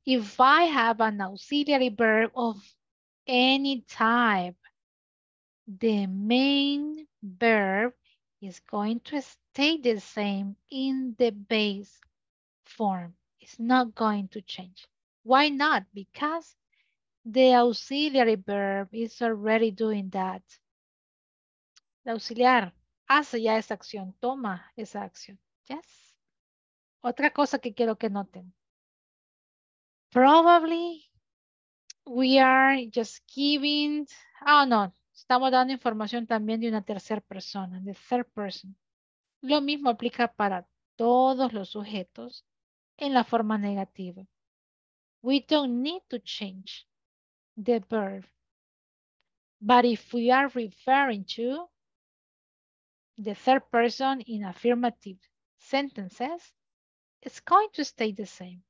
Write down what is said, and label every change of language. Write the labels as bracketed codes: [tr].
[en] If I have an auxiliary verb of any type, the main verb is going to stay the same in the base form. It's not going to change. Why not? Because the auxiliary verb is already doing that. [es] El auxiliar hace ya esa acción, toma esa acción. Yes. Otra cosa que quiero que noten. [en] Probably we are just giving, oh no, [es] estamos dando información también de una tercera persona, [en] the third person. [es] Lo mismo aplica para todos los sujetos en la forma negativa. [en] We don't need to change the verb. But if we are referring to the third person in affirmative sentences, it's going to stay the same.